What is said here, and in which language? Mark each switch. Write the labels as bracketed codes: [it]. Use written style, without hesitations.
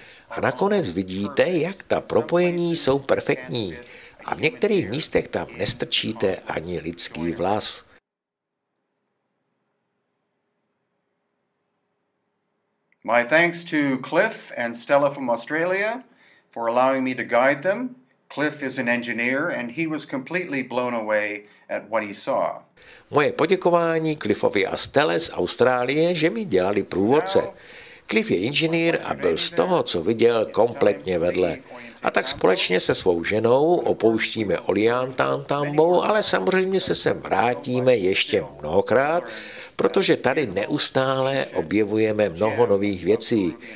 [cs] A nakonec vidíte, jak ta propojení jsou perfektní a v některých místech tam nestrčíte ani lidský vlas. [en] My thanks to Cliff and Stella from Australia for allowing me to guide them. Cliff is an engineer and he was completely blown away at what he saw. [cs] Moje poděkování Cliffovi a Stelle z Austrálie, že mi dělali průvodce. Cliff je inženýr a byl z toho, co viděl, kompletně vedle. A tak společně se svou ženou opouštíme Ollantaytambo, ale samozřejmě se sem vrátíme ještě mnohokrát, protože tady neustále objevujeme mnoho nových věcí.